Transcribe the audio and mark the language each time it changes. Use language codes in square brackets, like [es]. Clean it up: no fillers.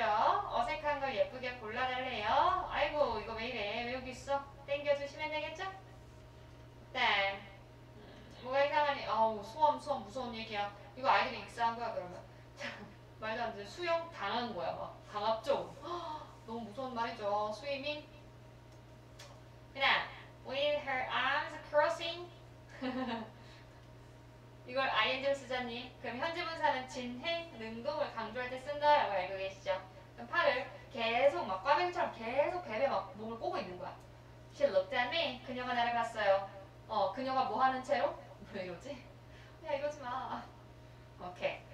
[ko] 어색한 걸 예쁘게 골라달래요. 아이고, 이거 왜 이래. 왜 여기 있어? 땡겨주시면 되겠죠? 땡. 뭐가 이상하니? 어우, 수험, 무서운 얘기야. 이거 아이들이 익사한 거야, 그러면. 자, 말도 안 되는데 수영 당한 거야, 막. 강압적으로. 너무 무서운 말이죠. 스위밍. [en] 그냥, with her arms crossing. [ko] 이걸 ing로 쓰잖니? 그럼 현재 분사는 진해, 능동을 강조할 때 쓴다 라고 알고 계시죠? 그럼 팔을 계속 막 꽈배기처럼 계속 베베 막 몸을 꼬고 있는 거야. [en] She looked at me. [ko] 그녀가 나를 봤어요. 그녀가 뭐 하는 채로? 왜 이러지? 야, 이러지 마. 오케이.